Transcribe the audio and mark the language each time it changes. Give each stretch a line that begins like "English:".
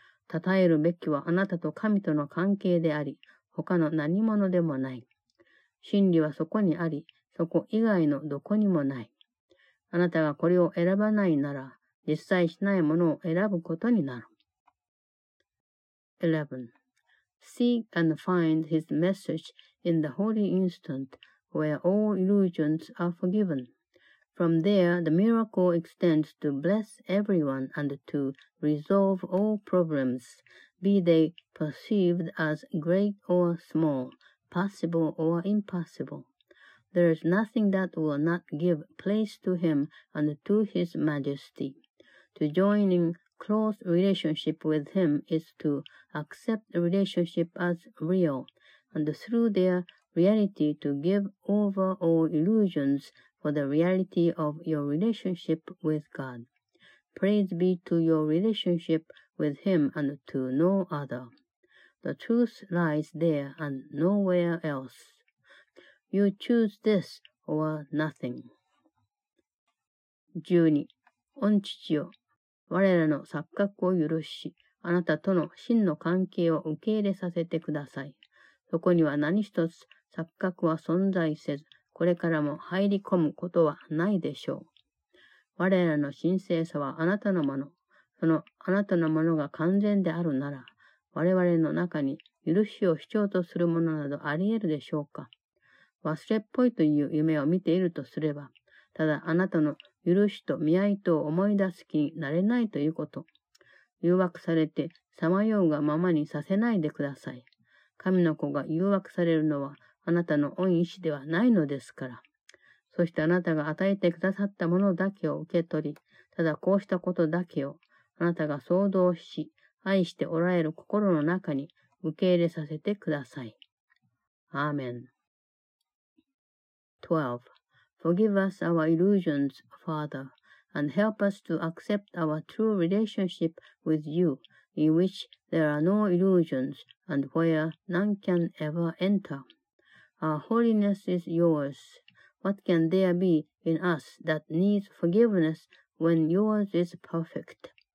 Japanese: 讃えるべきはあなたと神との関係であり、他の何者でもない。真理はそこにあり、そこ以外のどこにもない。あなたがこれを選ばないなら、実際しないものを選ぶことになる。
English: 11. Seek and find his message in the holy instant where all illusions are forgiven. From there, the miracle extends to bless everyone and to resolve all problems, be they perceived as great or small, possible or impossible. There is nothing that will not give place to him and to his majesty. To join in close relationship with him is to accept the relationship as real, and through their reality to give over all illusions for the reality of your relationship with God. Praise be to your relationship with him and to no other. The truth lies there and nowhere else. You choose this or nothing.
Japanese: 12. 御父よ我らの錯覚を許し、あなたとの真の関係を受け入れさせてください。そこには何一つ錯覚は存在せず、これからも入り込むことはないでしょう。我らの神聖さはあなたのもの、そのあなたのものが完全であるなら、我々の中に許しを主張とするものなどあり得るでしょうか。忘れっぽいという夢を見ているとすれば、ただあなたの許しと見合いとを思い出す気になれないということ。誘惑されてさまようがままにさせないでください。神の子が誘惑されるのはあなたの御意志ではないのですから。そしてあなたが与えてくださったものだけを受け取り、ただこうしたことだけをあなたが想像し、愛しておられる心の中に受け入れさせてください。アーメン。12.
English: Forgive us our illusions, Father, and help us to accept our true relationship with you, in which there are no illusions and where none can ever enter. Our holiness is yours. What can there be in us that needs forgiveness when yours is perfect?